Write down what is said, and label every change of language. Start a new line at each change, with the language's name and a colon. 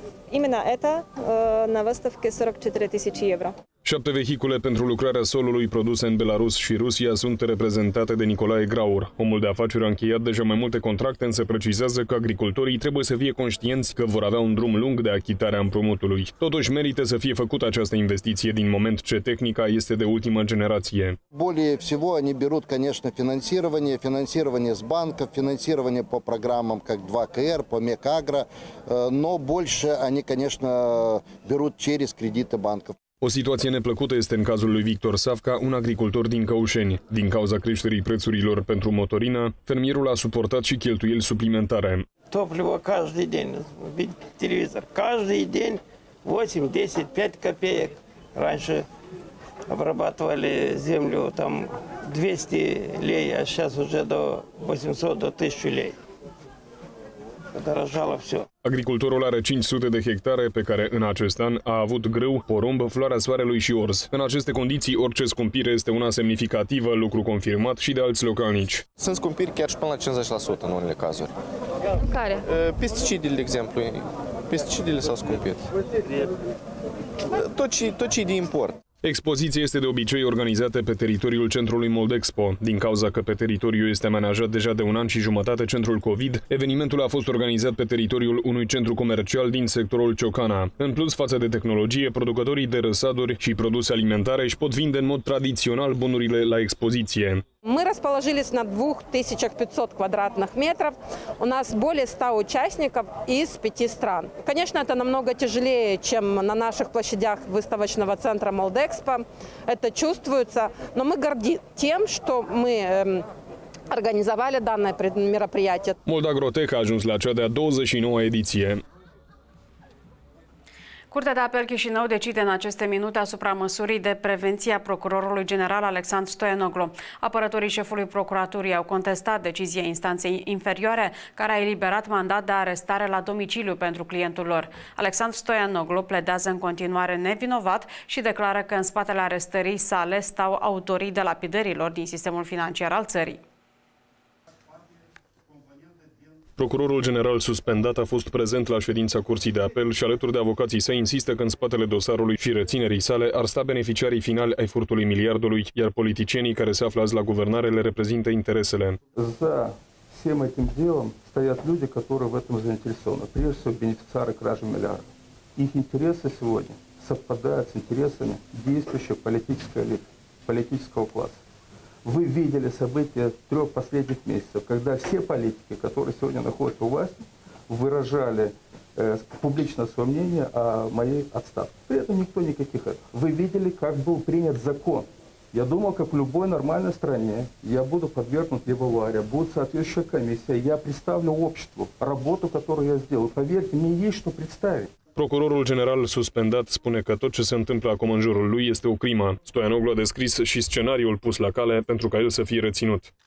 Russian: Именно это на выставке 44 тысячи евро.
Romanian: 7 vehicule pentru lucrarea solului produse în Belarus și Rusia sunt reprezentate de Nicolae Graur. Omul de afaceri a încheiat deja mai multe contracte, însă precizează că agricultorii trebuie să fie conștienți că vor avea un drum lung de achitare a împrumutului. Totuși merită să fie făcută această investiție din moment ce tehnica este de ultimă generație.
Russian: Более всего они берут, конечно, финансирование, финансирование с банков, финансирование по программам, как 2КР, по МЕКАГРО, но больше они, конечно, берут через кредиты банков.
Romanian: O situație neplăcută este în cazul lui Victor Savca, un agricultor din Căușeni. Din cauza creșterii prețurilor pentru motorină, fermierul a suportat și cheltuieli suplimentare. Topliva každý den, televizor, každý den 8-10, 5 копеек.
Russian: Раньше обрабатывали землю там 200 лей, а сейчас уже до 800, до 1000 лей. Подорожало все.
Romanian: Agricultorul are 500 de hectare pe care în acest an a avut grâu, porumb, floarea soarelui și orz. În aceste condiții, orice scumpire este una semnificativă, lucru confirmat și de alți localnici. Sunt scumpiri chiar și până la 50% în unele cazuri. Care? Pesticidele, de exemplu. Pesticidele s-au scumpit. Tot ce e de import. Expoziția este de obicei organizată pe teritoriul centrului Moldexpo. Din cauza că pe teritoriu este amenajat deja de un an și jumătate centrul COVID, evenimentul a fost organizat pe teritoriul unui centru comercial din sectorul Ciocana. În plus, față de tehnologie, producătorii de răsaduri și produse alimentare își pot vinde în mod tradițional bunurile la expoziție.
Russian: Мы расположились на 2500 квадратных метров. У нас более 100 участников из 5 стран. Конечно, это намного тяжелее, чем на наших площадях выставочного центра Молдекспо. Это чувствуется. Но мы горды тем, что мы организовали данное мероприятие.
Romanian: Moldagrotech a ajuns la cea de-a 29-a ediție. Curtea de apel Chișinău decide în aceste minute asupra măsurii de prevenție a procurorului general Alexandru Stoianoglu. Apărătorii șefului procuraturii au contestat decizia instanței inferioare care a eliberat mandat de arestare la domiciliu pentru clientul lor. Alexandru Stoianoglu pledează în continuare nevinovat și declară că în spatele arestării sale stau autorii delapidărilor din sistemul financiar al țării. Procurorul general suspendat a fost prezent la ședința curții de apel și alături de avocații săi insistă că în spatele dosarului și reținerii sale ar sta beneficiarii finali ai furtului miliardului, iar politicienii care se află azi la guvernare le reprezintă interesele.
Russian: За всем этим делом стоят люди, которые в этом заинтересованы. Прежде всего, бенефициары кражи миллиарда. Их интересы сегодня совпадают с интересами действующей политической элиты, политического класса. Вы видели события трех последних месяцев, когда все политики, которые сегодня находятся у власти, выражали публично свое мнение о моей отставке. При этом никто никаких это. Вы видели, как был принят закон. Я думал, как в любой нормальной стране, я буду подвергнут либо аварии, будет соответствующая комиссия, я представлю обществу работу, которую я сделал. Поверьте, мне есть что представить.
Romanian: Procurorul general suspendat spune că tot ce se întâmplă acum în jurul lui este o crimă. Stoianoglu a descris și scenariul pus la cale pentru ca el să fie reținut.